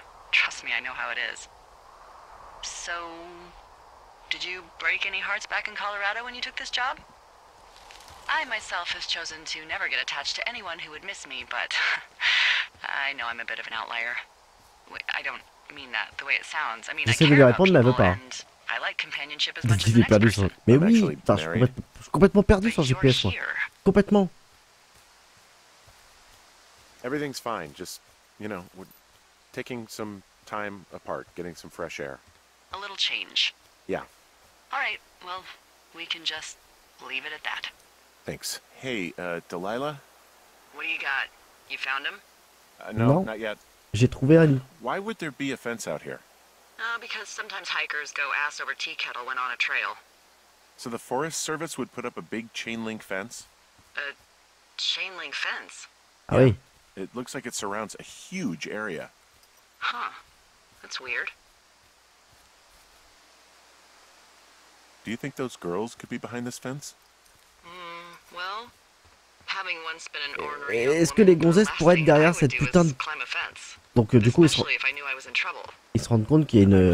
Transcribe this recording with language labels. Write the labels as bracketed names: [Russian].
[English] Trust me, I know how it is. So, did you break any hearts back in Colorado when you took this job? I myself have chosen to never get attached to anyone who would miss me, but I know I'm a bit of an outlier. I don't mean that the way it sounds. I mean, I care about people, and I like companionship as much as the next person. [French] Mais oui, je suis complètement perdu sur GPS, moi. Complètement. [English] Everything's fine, just, you know, we're taking some time apart, getting some fresh air. A little change. Yeah. All right, well, we can just leave it at that. Thanks. Hey, Delilah? What do you got? You found him? No, not yet. [French] J'ai trouvé un... [English] Why would there be a fence out here? Because sometimes hikers go ass over tea kettle when on a trail. So the Forest Service would put up a big chain link fence? A chain link fence? [French] Ah oui. [English] It looks like it surrounds a huge area. Huh. That's weird. Do you think those girls could be behind this fence? Well, having once been an ornery. [French] Est-ce que les gonzesses pourraient être derrière cette putain de. Donc du coup, ils se rendent compte qu'il y a une.